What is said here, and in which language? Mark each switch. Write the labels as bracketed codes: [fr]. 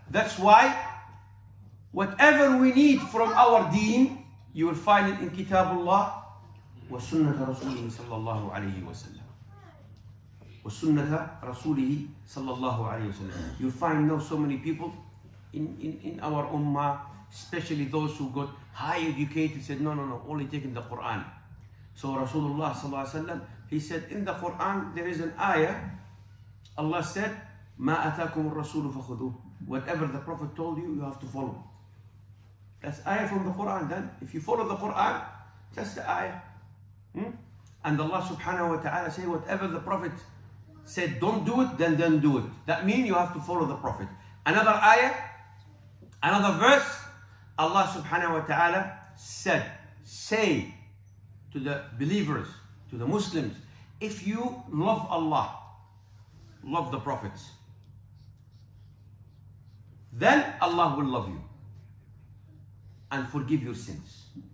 [en] That's why whatever we need from our deen, you will find it in [ar] Kitabullah wa sunnata Rasulihi [en] sallallahu alayhi wa sallam. [ar] Wa sunnata Rasulihi [en] sallallahu alayhi wa sallam. You'll find now so many people in our ummah, especially those who got high educated, said, no, only taking the Quran. So Rasulullah sallallahu alayhi wa sallam, he said, in the Quran there is an ayah. Allah said, [ar] مَا أَتَاكُمُ الرَّسُولُ فَخُذُوهُ. [en] Whatever the Prophet told you, you have to follow. That's ayah from the Quran. Then, if you follow the Quran, that's the ayah. And Allah subhanahu wa ta'ala say, whatever the Prophet said, don't do it, then don't do it. That means you have to follow the Prophet. Another ayah, another verse, Allah subhanahu wa ta'ala said, say to the believers, to the Muslims, if you love Allah, love the Prophets, then Allah will love you and forgive your sins.